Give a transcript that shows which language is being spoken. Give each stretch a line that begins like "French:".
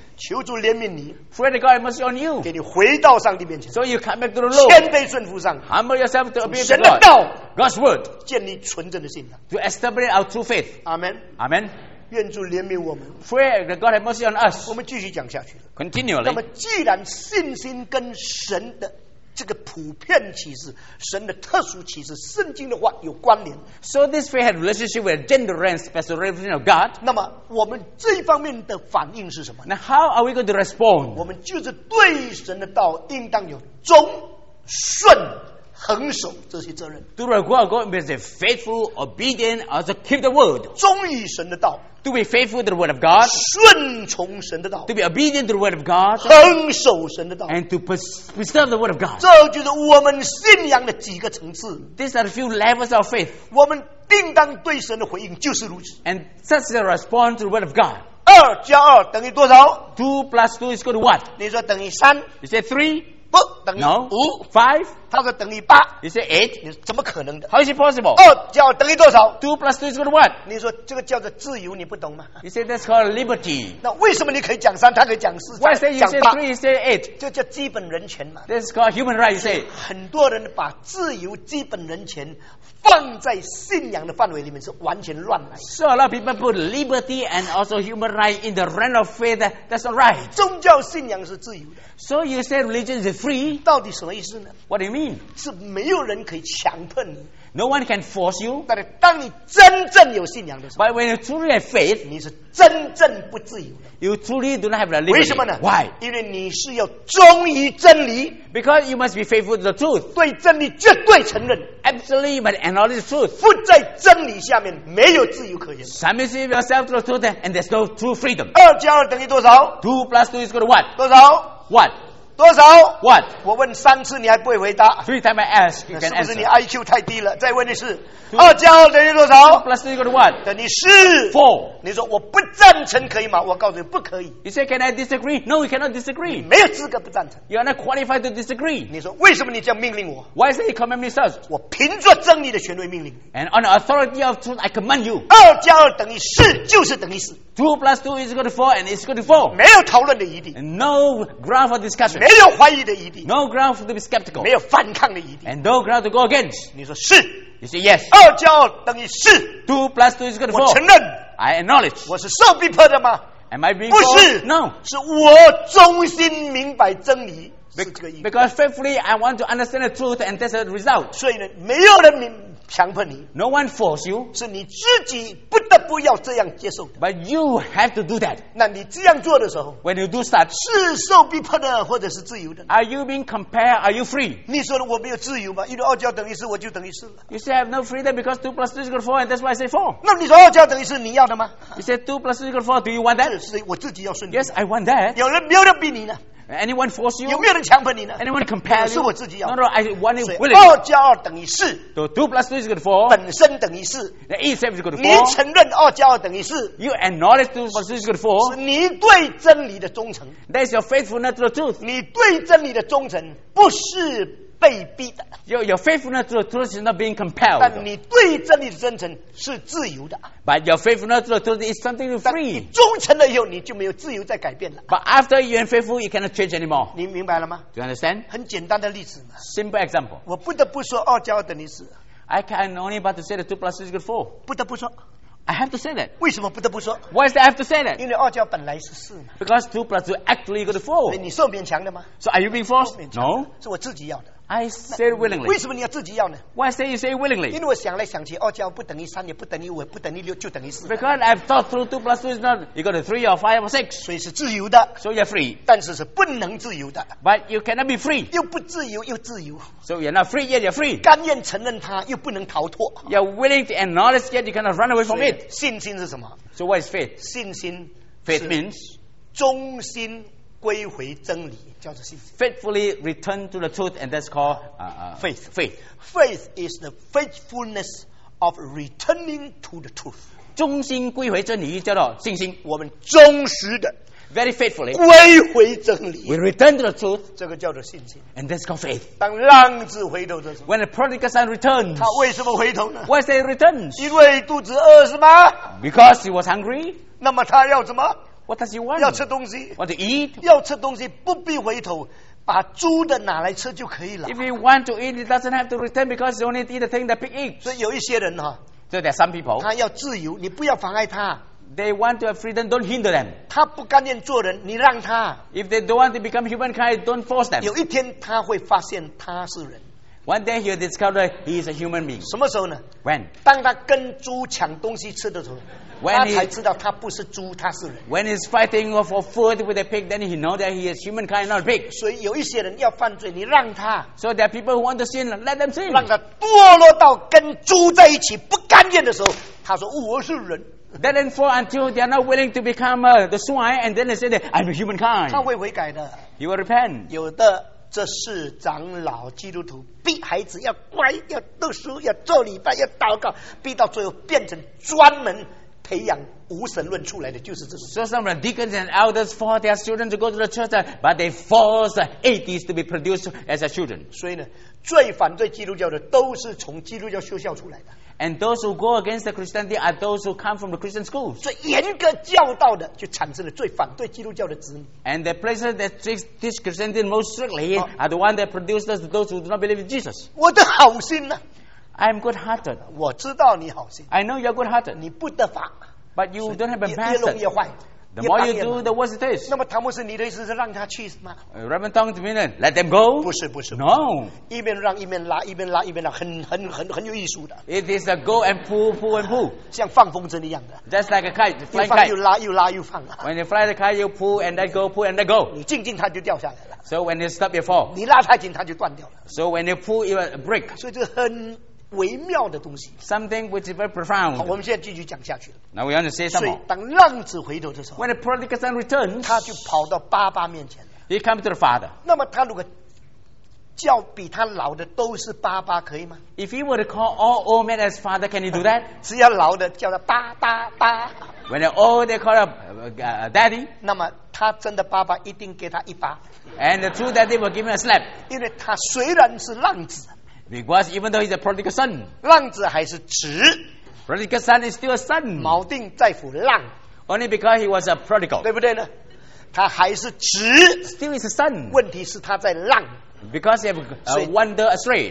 Chinese: 求主怜悯你。
English: Pray to God have mercy on you.
Chinese: 给你回到上帝面前。
English: So you come back to the Lord.
Chinese: 谦卑顺服上帝。
English: Humble yourself to obey God.
Chinese: 神的道。
English: God's word.
Chinese: 建立纯正的信仰。
English: To establish our true faith. Amen. Amen.
Chinese: 愿主怜悯我们。
English: Pray that God have mercy on us.
Chinese: 我们继续讲下去。
English: Continually.
Chinese: 那么既然信心跟神的这个普遍启示神的特殊启示圣经的话有关联
English: So this faith had relationship with gender and special revelation of God
Chinese: 那么我们这一方面的反应是什么
English: Now how are we going to respond
Chinese: 我们就是对神的道应当有忠顺恒守这些责任。
English: To require God means faithful, obedient, as to keep the word.
Chinese: 忠于神的道。
English: To be faithful to the word of God.
Chinese: 顺从神的道。
English: To be obedient to the word of God.
Chinese: 恒守神的道。
English: And to preserve the word of God.
Chinese: 这就是我们信仰的几个层次。
English: These are a few levels of faith.
Chinese: 我们定当对神的回应就是如此。
English: And such a response to the word of God.
Chinese: 二加二等于多少
English: ？Two plus two is equal to what？
Chinese: 你说等于三
English: ？You say three？
Chinese: 不，等于五
English: ？Five？
Chinese: 他说等于八
English: ？You say eight？
Chinese: 你说怎么可能的
English: ？How is it possible？
Chinese: 二加二等于多少
English: ？Two plus two is equal to what？
Chinese: 你说这个叫做自由，你不懂吗
English: ？You say that's called liberty。
Chinese: 那为什么你可以讲三，他可以讲四
English: ？Why say you say three？ You say eight？
Chinese: 这叫基本人权嘛
English: ？That's called human right。 You say
Chinese: 很多人把自由、基本人权。放在信仰的范围里面是完全乱来的。
English: So a lot of people put liberty and also human right in the realm of faith. That's not right.
Chinese: 宗教信仰是自由的。
English: So you say religion is free.
Chinese: 到底什么意思呢
English: ？What do you mean?
Chinese: 是没有人可以强迫你。
English: No one can force you.
Chinese: 但是当你真正有信仰的时候
English: ，But when you truly have faith,
Chinese: 你是真正不自由的。
English: You truly do not have the liberty.
Chinese: 为什么呢
English: ？Why?
Chinese: 因为你是要忠于真理。
English: Because you must be faithful to the truth.
Chinese: 对真理绝对承认。
English: Absolutely, you must acknowledge the truth.
Chinese: 附在真理下面没有自由可言。
English: Submissive yourself to the truth, and there's no true freedom.
Chinese: 二加二等于多少
English: ？Two plus two is equal to what?
Chinese: 多少
English: ？What?
Chinese: 多少
English: ？What？
Chinese: 我问三次你还不会回答。
English: Three times I ask, you can answer.
Chinese: 是不是你 IQ 太低了？再问一次。二加二等于多少
English: ？Plus two equals one.
Chinese: 等于四。
English: Four.
Chinese: 你说我不赞成可以吗？我告诉你不可以。
English: You say can I disagree? No, you cannot disagree.
Chinese: 你没有资格不赞成。
English: You are not qualified to disagree.
Chinese: 你说为什么你这样命令我
English: ？Why is it you command me such?
Chinese: 我凭着真理的权威命令。
English: And on the authority of truth, I command you.
Chinese: 二加二等于四，就是等于四。
English: Two plus two is equal to four, and it's equal to four.
Chinese: 没有讨论的余地。
English: No ground for discussion.
Chinese: 没有怀疑的余地。
English: No ground to be skeptical.
Chinese: 没有反抗的余地。
English: And no ground to go against.
Chinese: 你说是。
English: You say yes.
Chinese: 二加二等于四。
English: Two plus two is equal to four.
Chinese: 我承认。
English: I acknowledge.
Chinese: 我是受逼迫的吗
English: ？Am I being?
Chinese: 不是。
English: No.
Chinese: 是我忠心明白真理。
English: Because faithfully, I want to understand the truth, and that's the result.
Chinese: 所以呢，没有人明。强迫你
English: ，No one force you，
Chinese: 是你自己不得不要这样接受。
English: But you have to do that。
Chinese: 那你这样做的时候
English: ，When you do start，
Chinese: 是受逼迫的，或者是自由的
English: ？Are you being compared? Are you free？
Chinese: 你说我没有自由吗？因为二加等于四，我就等于四了。
English: You say I have no freedom because two plus two is equal four, and that's why I say four。
Chinese: 那你说二加等于四，你要的吗
English: ？You say two plus two is equal four. Do you want that？
Chinese: 是我自己要顺。
English: Yes, I want that。
Chinese: 有人没有人逼你呢？
English: Anyone force you?
Chinese: 有没有人强迫你呢
English: ？Anyone compel you?
Chinese: 是我自己要。
English: No, no, I want it willingly.
Chinese: 二加二等于四。
English: So two plus two is equal to four.
Chinese: 本身等于四。
English: The itself is equal to four.
Chinese: 你承认二加二等于四。
English: You acknowledge two plus two is equal to four.
Chinese: 是你对真理的忠诚。
English: That is your faithfulness to the truth.
Chinese: 你对真理的忠诚不是被逼的。
English: Your faithfulness to the truth is not being compelled.
Chinese: 但你对真理的忠诚是自由的。
English: But your faithfulness to the truth is something free.
Chinese: 但你忠诚了以后，你就没有自由再改变了。
English: But after you are faithful, you cannot change anymore.
Chinese: 你明白了吗
English: ？Do you understand?
Chinese: 很简单的例子嘛。
English: Simple example.
Chinese: 我不得不说二加二等于四。
English: I can only but to say that two plus two is equal to four.
Chinese: 不得不说。
English: I have to say that.
Chinese: 为什么不得不说
English: ？Why is that I have to say that?
Chinese: 因为二加二本来是四嘛。
English: Because two plus two actually equal to four.
Chinese: 所以你受勉强的吗
English: ？So are you being forced? No.
Chinese: 是我自己要的。
English: I say willingly.
Chinese: 为什么你要自己要呢
English: ？Why say you say willingly?
Chinese: 因为我想来想去，二加二不等于三，也不等于五，不等于六，就等于四。
English: Because I've thought through two plus two is not equal to three or five or six.
Chinese: 所以是自由的。
English: So you're free.
Chinese: 但是是不能自由的。
English: But you cannot be free.
Chinese: 又不自由又自由。
English: So you're not free yet you're free.
Chinese: 甘愿承认它又不能逃脱。
English: You're willing to acknowledge yet you cannot run away from it.
Chinese: 信心是什么
English: ？So what is faith?
Chinese: 信心。
English: Faith means.
Chinese: 忠心归回真理。叫做信心
English: faithfully return to the truth, and that's called faith. Faith. Faith is the faithfulness of returning to the truth.
Chinese: 忠心归回真理叫做信心。我们忠实的
English: very faithfully
Chinese: 归回真理。
English: We return to the truth.
Chinese: 这个叫做信心。
English: And that's called faith.
Chinese: 当浪子回头的时候
English: when the prodigal son returns,
Chinese: 他为什么回头呢
English: ？Why say returns?
Chinese: 因为肚子饿是吗
English: ？Because he was hungry.
Chinese: 那么他要什么？
English: What does he want?
Chinese: 要吃东西
English: What to eat?
Chinese: 要吃东西不必回头把猪的拿来吃就可以了
English: If he want to eat, he doesn't have to return because he only eat the thing that pig eats.
Chinese: 所以有一些人
English: So there are some people.
Chinese: 他要自由你不要妨碍他
English: They want to have freedom, don't hinder them.
Chinese: 他不甘愿做人你让他
English: If they don't want to become humankind, don't force them.
Chinese: 有一天他会发现他是人
English: One day he discovered he is a human being.
Chinese: 什么时候呢
English: ？When?
Chinese: 当他跟猪抢东西吃的时候。
English: When he,
Chinese: 他才知道他不是猪，他是人。
English: When he's fighting for food with a pig, then he knows that he is humankind, not a pig.
Chinese: 所以有一些人要犯罪，你让他。
English: So there are people who want to sin, let them sin.
Chinese: 让他堕落到跟猪在一起不甘愿的时候，他说我是人。
English: Then for until they are not willing to become the swine, and then they say that I'm a humankind.
Chinese: 他会悔改的。
English: He will repent.
Chinese: 有的这是长老基督徒逼孩子要乖，要读书，要做礼拜，要祷告，逼到最后变成专门。培养无神论出来的就是这种。
English: So some of the deacons and elders force their children to go to the church, but they force atheists to be produced as a children.
Chinese: 所以呢，最反对基督教的都是从基督教学校出来的。
English: And those who go against the Christianity are those who come from the Christian schools.
Chinese: 最严格教导的就产生了最反对基督教的子女。
English: And the places that teach Christianity most strictly are the ones that produce those who do not believe in Jesus.
Chinese: 我的好心呢？
English: I'm good-hearted.
Chinese: 我知道你好心。
English: I know you're good-hearted.
Chinese: 你不得法。
English: But you don't have a method.
Chinese: 越弄越坏。
English: The more you do, the worse it is.
Chinese: 那么唐牧师，你的意思是让他去吗？
English: Reverend Tong, do you mean let them go?
Chinese: 不是不是。
English: No.
Chinese: 一边让一边拉，一边拉一边拉，很有艺术的。
English: It is a go and pull, pull and pull.
Chinese: 像放风筝一样的。
English: Just like a kite, fly kite.
Chinese: 又放又拉，又拉又放。
English: When you fly the kite, you pull and let go, pull and let go.
Chinese: 你静静，它就掉下来了。
English: So when you stop, you fall.
Chinese: 你拉太紧，它就断掉了。
English: So when you pull, you break.
Chinese: 所以这很。微妙的东西
English: ，something which is very profound。
Chinese: 好，我们现在继续讲下去了。
English: Now we want to say something。
Chinese: 所以，当浪子回头的时候
English: ，when the prodigal son returns，
Chinese: 他就跑到爸爸面前了。
English: He comes to the father。
Chinese: 那么，他如果叫比他老的都是爸爸，可以吗
English: ？If he were to call all old men as father, can he do that？
Chinese: 只要老的叫他爸爸爸。
English: When they're old, they call him daddy。
Chinese: 那么，他真的爸爸一定给他一巴。
English: And the true daddy will give him a slap。
Chinese: 因为他虽然是浪子。
English: Because even though he's a prodigal son,
Chinese: 浪子还是子
English: prodigal son is still a son.
Chinese: 锚定在乎浪
English: only because he was a prodigal,
Chinese: 对不对呢？他还是子
English: still is a son.
Chinese: 问题是他在浪
English: because he wandered astray.